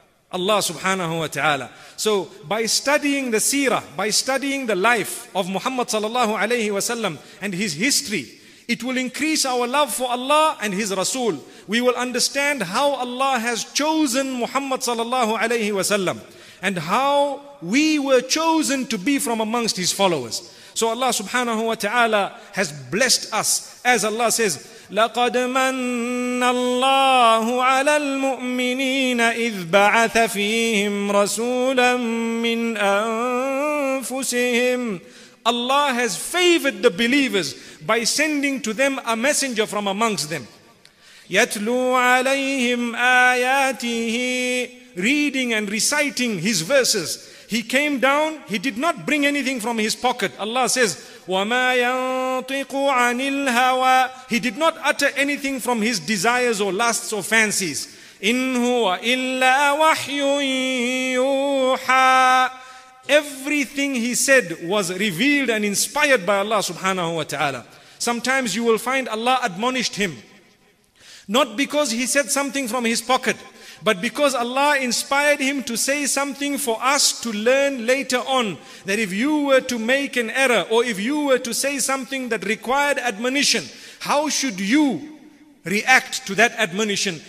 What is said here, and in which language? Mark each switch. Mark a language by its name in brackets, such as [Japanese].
[English] Allah subhanahu wa ta'ala. So by studying the seerah, by studying the life of Muhammad sallallahu alayhi wa sallam and his history, it will increase our love for Allah and his Rasul. We will understand how Allah has chosen Muhammad sallallahu alayhi wa sallam and how we were chosen to be from amongst his followers. So Allah subhanahu wa ta'ala has blessed us. As Allah says, [Arabic] لَقَدْ مَنَّ اللَّهُ عَلَى الْمُؤْمِنِينَ إِذْ بَعَثَ فِيهِمْ رَسُولًا مِّنْ أَنفُسِهِمْ. [English] Allah has favored the believers by sending to them a messenger from amongst them. [Arabic] يَتْلُوا عَلَيْهِمْ آيَاتِهِ. [English] Reading and reciting his verses. He came down, he did not bring anything from his pocket. Allah says, [Arabic] وَمَا يَنْطِقُ عَنِ الْهَوَىٰ. [English] He did not utter anything from his desires or lusts or fancies. [Arabic] إِنْ هُوَ إِلَّا وَحْيٌ يُوحَىٰ. [English] everything he said was revealed and inspired by Allah subhanahu wa ta'ala. Sometimes you will find Allah admonished him, not because he said something from his pocket, but because Allah inspired him to say something for us to learn later on, that if you were to make an error, or if you were to say something that required admonition, how should you react to that admonition?